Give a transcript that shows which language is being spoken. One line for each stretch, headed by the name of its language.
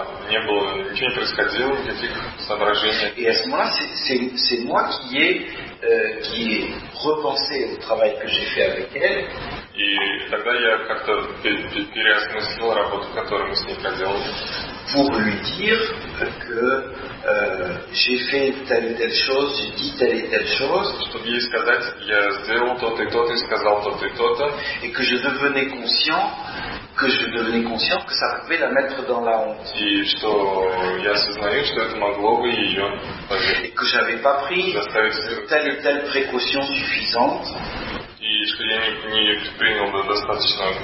Russian: Не было, ничего не происходило, никаких соображений.
French: Et à ce moment-là, c'est moi qui ai repensé au travail que j'ai fait avec elle.
Russian: И тогда я как-то переосмыслил работу, которую мы с ней проделали.
French: Pour lui dire que j'ai fait telle et telle chose, j'ai dit telle et telle chose.
Russian: Чтобы ей сказать, я сделал то-то и то-то, и сказал то-то и то-то.
French: Et que je devenais conscient. Que je devenais consciente que ça pouvait la mettre dans la honte.
Russian: Что я осознаю, что это могло бы ее.
French: Et que j'avais pas pris telle et telle précaution suffisante. Et
Russian: что я не принял бы достаточно.